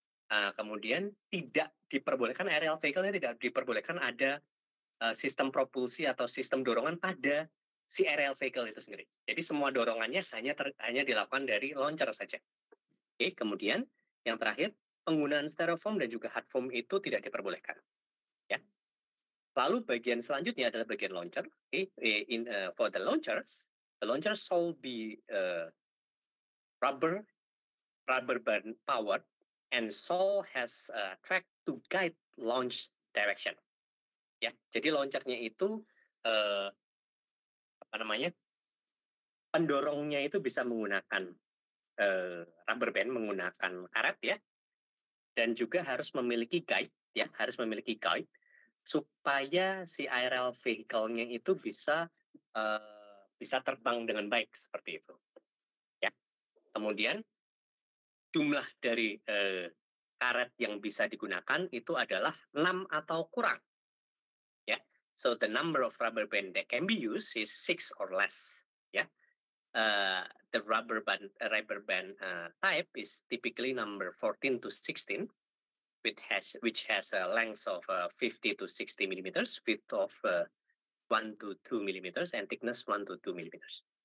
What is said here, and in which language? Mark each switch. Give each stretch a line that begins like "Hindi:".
Indonesian: Kemudian tidak diperbolehkan aerial vehicle-nya tidak diperbolehkan ada sistem propulsi atau sistem dorongan pada si aerial vehicle itu sendiri. Jadi semua dorongannya hanya hanya dilakukan dari launcher saja. Oke, kemudian yang terakhir, penggunaan styrofoam dan juga hard foam itu tidak diperbolehkan. Ya. Lalu bagian selanjutnya adalah bagian launcher.
English: Oke, for the launcher shall be rubber band powered and shall has a track to guide launch direction.
Indonesian: Ya, jadi launchernya itu pendorongnya itu bisa menggunakan rubber band, menggunakan karet ya, dan juga harus memiliki guide ya, harus memiliki guide supaya si aerial vehicle-nya itu bisa bisa terbang dengan baik seperti itu ya. Kemudian jumlah dari karet yang bisa digunakan itu adalah 6 atau kurang.
English: So the number of rubber band that can be used is 6 or less. Yeah. The rubber band type is typically number 14 to 16, which has a length of 50 to 60 millimeters, width of 1 to 2 millimeters, and thickness 1 to 2 millimeters.